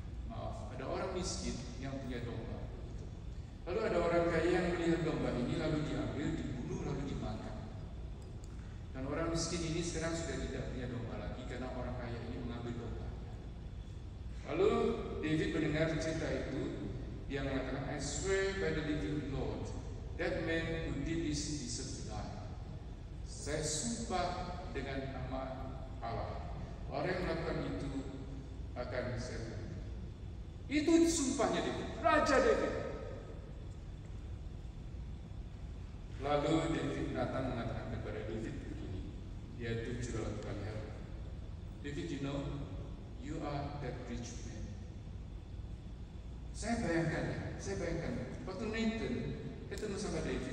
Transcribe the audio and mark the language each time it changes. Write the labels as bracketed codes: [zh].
[id] Maaf, ada orang miskin yang punya domba. Lalu ada orang kaya yang melihat domba ini lalu diambil, dibunuh, lalu dimakan. Dan orang miskin ini sekarang sudah tidak punya domba lagi karena orang kaya ini mengambil domba. Lalu David mendengar cerita itu, dia mengatakan, [en] I swear by the living Lord, that man who did this deserved to die. [id] Saya sumpah dengan nama Allah, orang yang melakukan itu akan saya bunuh. Itu sumpahnya David, Raja David. Lalu David datang mengatakan kepada David begini, dia tunjuk oleh Tuhan, David, [en] you know, you are that rich man. [id] Saya bayangkan, waktu Nathan Ketemu sama David.